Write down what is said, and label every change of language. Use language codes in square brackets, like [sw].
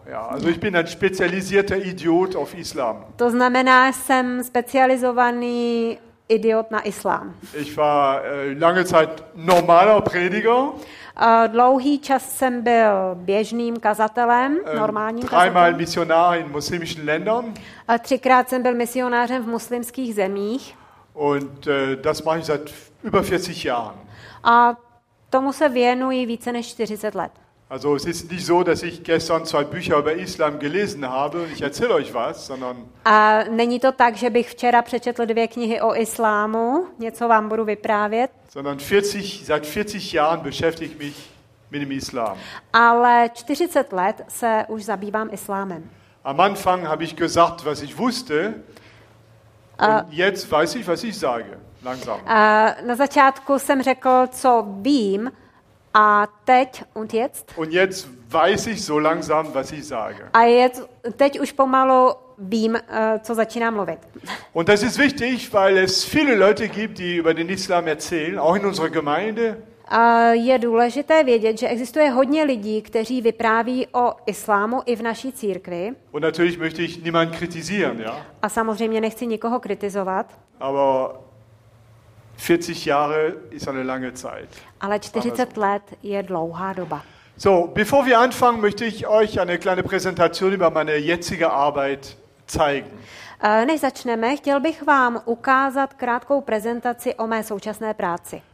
[de] Ja, also ich bin ein spezialisierter Idiot auf Islam. [cs] To znamená, jsem specializovaný idiot na islám. [de] Ich war lange Zeit normaler Prediger. [cs] Dlouhý čas jsem byl běžným kazatelem, normálním kazatelem. [de] Dreimal Missionar in muslimischen Ländern. [cs] Třikrát jsem byl misionářem v muslimských zemích. [de] Und das mache ich seit über 40 Jahren. [cs] A tomu se věnuji více než 40 let. [de] Also es ist nicht so, dass ich gestern zwei Bücher über Islam gelesen habe und ich erzähle euch was, sondern [cs] a není to tak, že bych včera přečetl dvě knihy o islámu, něco vám budu vyprávět. [de] Sondern 40 seit 40 Jahren beschäftige ich mich mit dem Islam. [cs] Ale 40 let se už zabývám islámem. [de] Am Anfang habe ich gesagt, was ich wusste. Und jetzt weiß ich, was ich sage. [cs] Na začátku jsem řekl, co vím, a teď [de] und jetzt. Und jetzt weiß ich so langsam, was ich sage. [cs] A jetzt, teď už pomalu vím, co začínám mluvit. [de] Und das ist wichtig, weil es viele Leute gibt, die über den Islam erzählen, auch in unserer Gemeinde. [cs] Je důležité vědět, že existuje hodně lidí, kteří vypráví o islámu i v naší církvi. [de] Und natürlich möchte ich niemanden kritisieren, ja? [cs] A samozřejmě nechci nikoho kritizovat. [de] Aber 40 Jahre ist eine lange Zeit. [cs] Ale 40 let je dlouhá doba. [de] So, bevor wir anfangen, möchte ich euch eine kleine Präsentation über meine jetzige Arbeit zeigen. [cs] Než začneme, chtěl bych vám ukázat krátkou prezentaci o mé současné práci.